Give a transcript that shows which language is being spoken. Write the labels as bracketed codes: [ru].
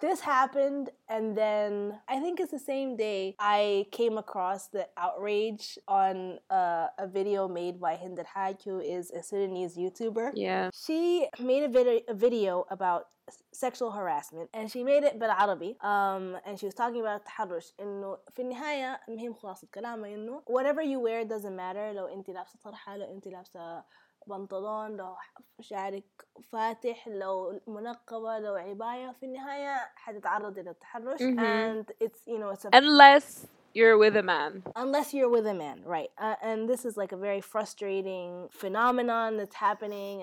[en] This happened, and then I think it's the same day I came across the outrage on a video made by Hindat Haq, who is a Sudanese YouTuber. Yeah. She made a video about sexual harassment, and she made it in Arabic, and she was talking about Ta7arush. [ar] إنه في النهاية مهم خلاص الكلام إنه [en] whatever you wear doesn't matter. [ar] لو أنت لابسة طرحة، لو أنت لابسة بنطلون، لو شعرك فاتح، لو منقبة، لو عباية، في النهاية حتتعرض إلى التحرش. [en] Mm-hmm. And it's, you know, it's unless you're with a man. Unless you're with a man, right. And this is like a very frustrating phenomenon that's happening.